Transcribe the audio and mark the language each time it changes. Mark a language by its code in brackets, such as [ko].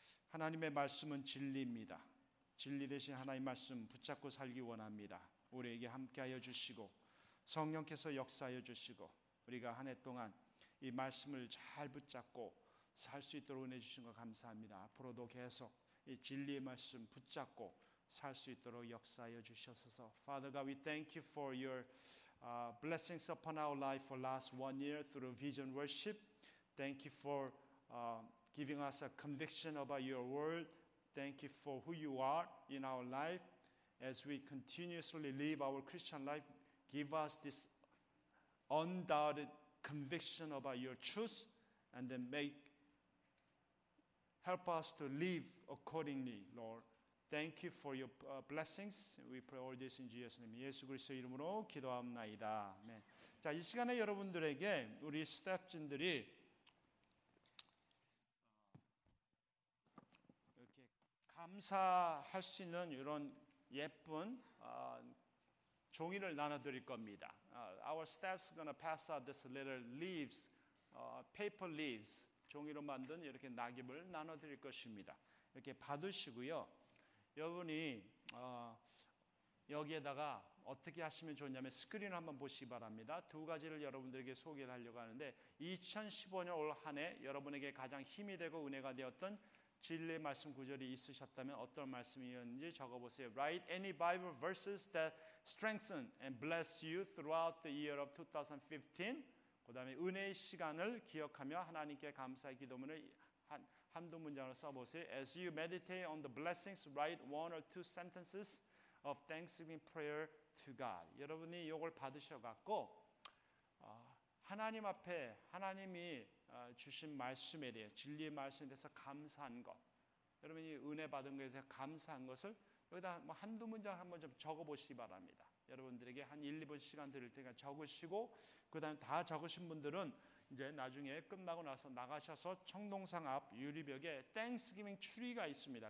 [ko] 하나님의 말씀은 진리입니다. 진리 대신 하나님 말씀 붙잡고 살기 원합니다. 우리에게 함께하여 주시고 성령께서 역사하여 주시고 우리가 한 해 동안 이 말씀을 잘 붙잡고 살 수 있도록 은혜 주신 거 감사합니다. 앞으로도 계속 이 진리의 말씀 붙잡고 살 수 있도록 역사하여 주시옵소서. [en] Father God, we thank you for your blessings upon our life for last 1 year through vision worship. Thank you for giving us a conviction about your word. Thank you for who you are in our life. As we continuously live our Christian life, give us this undoubted conviction about your truth and then help us to live accordingly, Lord. Thank you for your blessings. We pray all this in Jesus' name. [ko] 예수 그리스도의 이름으로 기도합니다. 네. 자, 이 시간에 여러분들에게 우리 스태프진들이 이렇게 감사할 수 있는 이런 예쁜 종이를 나눠드릴 겁니다. [en] Our staffs are gonna pass out this little leaves, paper leaves, [ko] 종이로 만든 이렇게 낙엽을 나눠드릴 것입니다. 이렇게 받으시고요. 여러분이 여기에다가 어떻게 하시면 좋냐면 스크린을 한번 보시기 바랍니다. 두 가지를 여러분들에게 소개를 하려고 하는데 2015년 올 한 해 여러분에게 가장 힘이 되고 은혜가 되었던 진리의 말씀 구절이 있으셨다면 어떤 말씀이었는지 적어보세요. [en] Write any Bible verses that strengthen and bless you throughout the year of 2015. [ko] 그 다음에 은혜의 시간을 기억하며 하나님께 감사의 기도문을 한두 문장으로 써보세요. [en] As you meditate on the blessings, write one or two sentences of thanksgiving prayer to God. [ko] 여러분이 이걸 받으셔갖고 하나님 앞에 하나님이 주신 말씀에 대해 진리의 말씀에 대해서 감사한 것, 여러분이 은혜 받은 것에 대해서 감사한 것을 여기다 뭐 한두 문장 한번 좀 적어보시기 바랍니다. 여러분들에게 한 1, 2분 시간 드릴 테니까 적으시고 그 다음 다 적으신 분들은 이제 나중에 끝나고 나서 나가셔서 청동상 앞 유리벽에 Thanksgiving 추리가 있습니다.